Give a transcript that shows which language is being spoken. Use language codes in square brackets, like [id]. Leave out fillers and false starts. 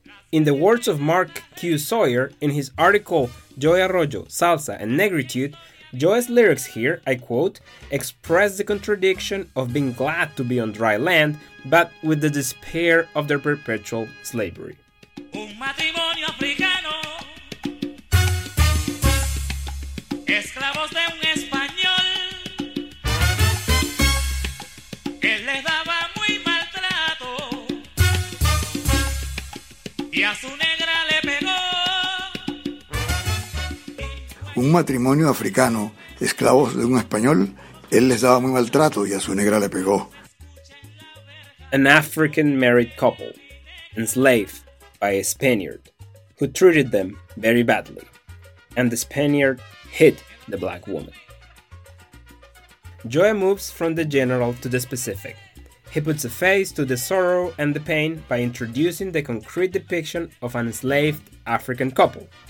[en] In the words of Mark Q. Sawyer in his article Joy Arroyo, Salsa and Negritude, Joy's lyrics here, I quote, "express the contradiction of being glad to be on dry land, but with the despair of their perpetual slavery." [es] Un matrimonio africano, esclavos de un español, él les daba muy maltrato, y a su negra le pegó. Un matrimonio africano, esclavos de un español, él les daba muy maltrato y a su negra le pegó. [en] An African married couple, enslaved by a Spaniard, who treated them very badly, and the Spaniard hit the black woman. Joy moves from the general to the specific. He puts a face to the sorrow and the pain by introducing the concrete depiction of an enslaved African couple.